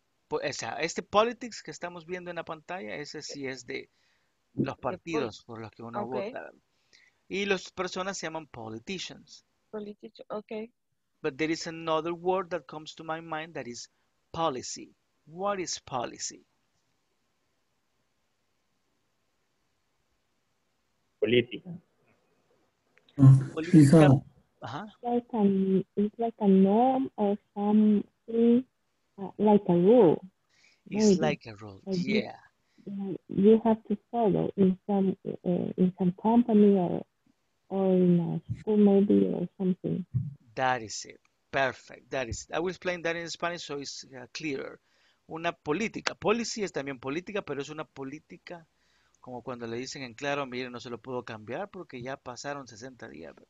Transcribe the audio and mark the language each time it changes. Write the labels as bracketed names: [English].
[Spanish] O sea, este politics que estamos viendo en la pantalla, ese sí es de los partidos por los que uno okay. vota. Y las personas se llaman politicians. [English] Politician, okay. But there is another word that comes to my mind that is policy. What is policy? [Spanish] Política. [English] It's like a norm or something, like a rule. It's like a rule, like yeah. You have to follow in some company or in a school maybe or something. That is it. Perfect. That is it. I will explain that in Spanish so it's clearer. [Spanish] Una política. Policy es también política, pero es una política... Como cuando le dicen en claro, mire, no se lo puedo cambiar porque ya pasaron 60 días.